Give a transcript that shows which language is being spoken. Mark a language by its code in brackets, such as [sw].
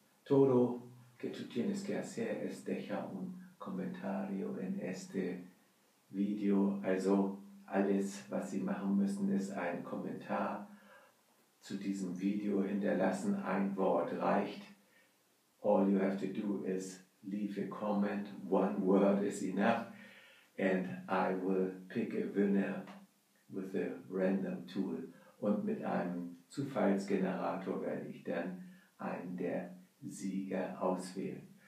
[es] Todo que tú tienes que hacer es dejar un comentario en este video. [de] Also alles, was Sie machen müssen, ist einen Kommentar zu diesem Video hinterlassen. Ein Wort reicht. [en] All you have to do is leave a comment. One word is enough. And I will pick a winner with a random tool. [de] Und mit einem Zufallsgenerator werde ich dann einen der Sieger auswählen.